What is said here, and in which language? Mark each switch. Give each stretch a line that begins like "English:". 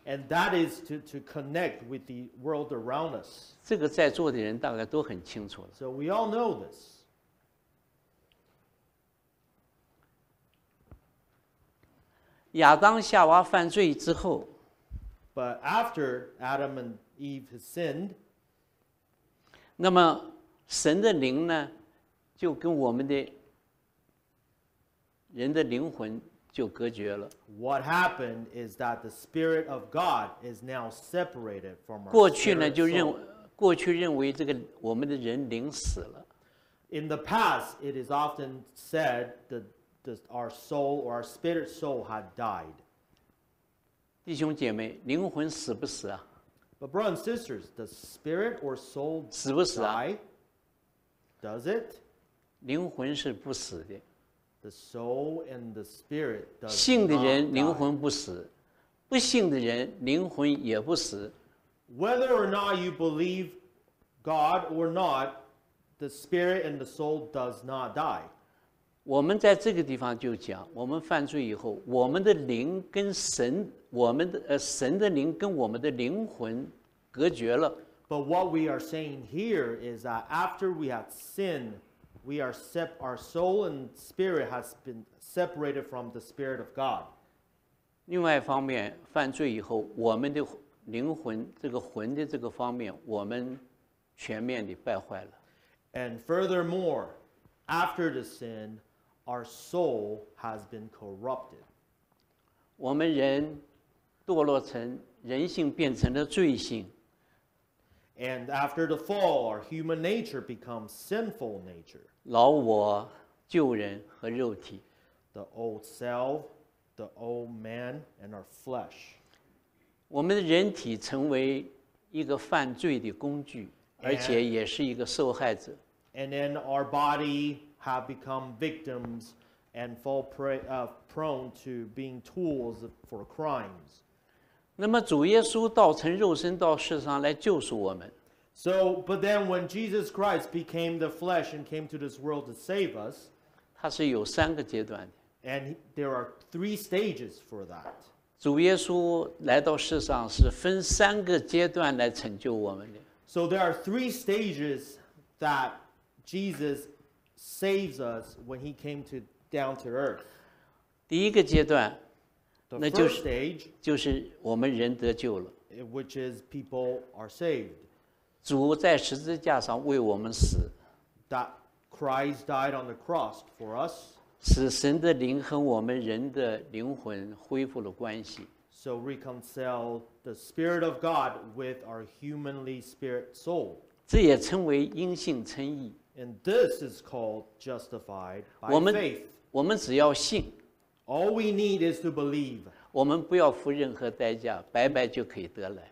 English: And that is to connect with the world around us.
Chinese: 这个在座的人大概都很清楚。
English: So we all know this.
Chinese: 亚当夏娃犯罪之后
English: ，But after Adam and Eve had sinned，
Chinese: 那么神的灵呢，就跟我们的人的灵魂就隔绝了。
English: What happened is that the spirit of God is now separated from our
Chinese: 过去呢，就认为过去认为这个我们的人灵死了。
English: In the past, it is often said that. Our soul or our spirit soul had died.
Chinese: 弟兄姐妹，灵魂死不死啊
English: ？But brothers and sisters, does spirit or soul
Chinese: 死不死啊
English: die? Does it?
Chinese: 灵魂是不死的。
English: The soul and the spirit does.
Chinese: 信的人灵魂不死，不信的人灵魂也不死。
English: Whether or not you believe God or not, the spirit and the soul does not die.
Chinese: 我们在这个地方就讲，我们犯罪以后，我们的灵跟神，我们的神的灵跟我们的灵魂隔绝了。
English: But what we are saying here is that after we have sinned, we are our soul and spirit has been separated from the spirit of God.
Chinese: 另外一方面，犯罪以后，我们的灵魂这个魂的这个方面，我们全面的败坏了。
English: And furthermore, after the sin. Our soul has been corrupted.
Chinese: 我们人堕落成人性变成了罪性。
English: And after the fall, our human nature becomes sinful nature.
Chinese: 老我、旧人和肉体。
English: The old self, the old man, and our flesh.
Chinese: 我们人体成为一个犯罪的工具，而且也是一个受害者。
English: And then our body. Have become victims and fall prey, prone to being tools for crimes.
Chinese: 那么主耶稣道成肉身到世上来救赎我们。
English: So, but then when Jesus Christ became the flesh and came to this world to save us,
Chinese: 他是有三个阶段的。
English: And there are three stages for that.
Chinese: 主耶稣来到世上是分三个阶段来成就我们的。
English: So there are three stages that Jesus. Saves us when he came to down to earth.
Chinese: 第一个阶段，那就是
English: stage,
Chinese: 就是我们人得救了
English: ，which is people are saved.
Chinese: 主在十字架上为我们死
English: ，that Christ died on the cross for us.
Chinese: 使神的灵和我们人的灵魂恢复了关系。
English: So reconcile the Spirit of God with our humanly spirit soul.
Chinese: 这也称为因信称义。
English: And this is called justified by faith.
Chinese: 我们只要信。
English: All we need is to believe.
Chinese: 我们不要付任何代价，白白就可以得来。